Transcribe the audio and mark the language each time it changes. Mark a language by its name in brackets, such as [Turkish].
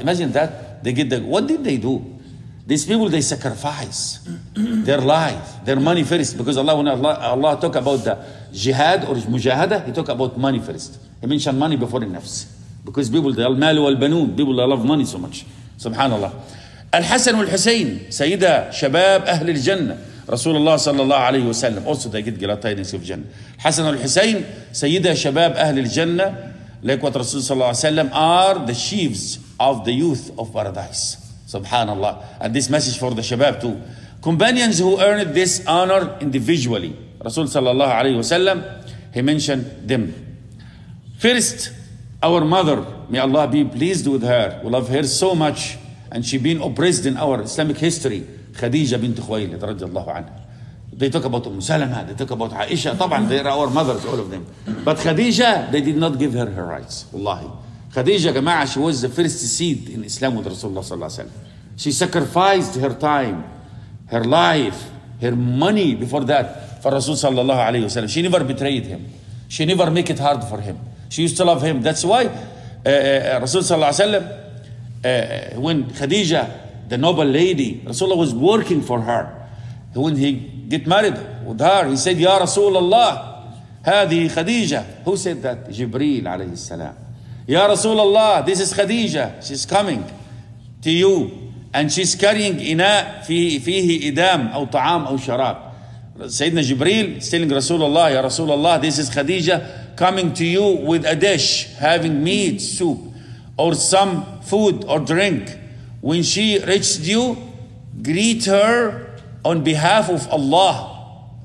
[English] Imagine that they get the, what did they do? These people, they sacrifice their life, their money first, because Allah, when Allah talk about the jihad or mujahada, he talk about money first. He mentioned money before the nafs, because people, they are mal wal banun, people that love money so much. [Arabic] سبحان الله. الحسن والحسين سيدا شباب أهل الجنة. رسول الله صلى الله عليه وسلم [English] also they get glad tidings of Jannah. [Arabic] الحسن والحسين سيدا شباب أهل الجنة, like what رسول صلى الله عليه وسلم, [English] are the sheaves of the youth of paradise. [Arabic] سبحان الله. [English] And this message for the شباب too. Companions who earned this honor individually. [Arabic] رسول صلى الله عليه وسلم [English] he mentioned them. First, our mother, may Allah be pleased with her, we love her so much, and she been oppressed in our Islamic history. [Arabic] خديجة بنت خويلد رضي الله عنها. [English] They talk about أم سلمة, they talk about عائشة, طبعا they are our mothers, all of them. But خديجة, they did not give her her rights. [Arabic] والله خديجة جماعة, [English] she was the first seed in Islam with رسول الله صلى الله عليه وسلم. She sacrificed her time, her life, her money before that for رسول صلى الله عليه وسلم. She never betrayed him. She never make it hard for him. She used to love him. That's why رسول صلى الله عليه وسلم, when خديجة the noble lady, Rasulullah was working for her. When he get married with her, he said, Ya Rasulullah, [Arabic] هذه خديجة. [English] Who said that? [Arabic] جبريل عليه السلام. [English] Ya Rasulullah, this is خديجة. She's coming to you. And she's carrying [Arabic] إناء فيه إدام أو طعام أو شراب. [English] سيدنا جبريل telling Rasulullah, Ya Rasulullah, this is خديجة coming to you with a dish, having meat, soup, or some food or drink. When she reached you, greet her on behalf of Allah.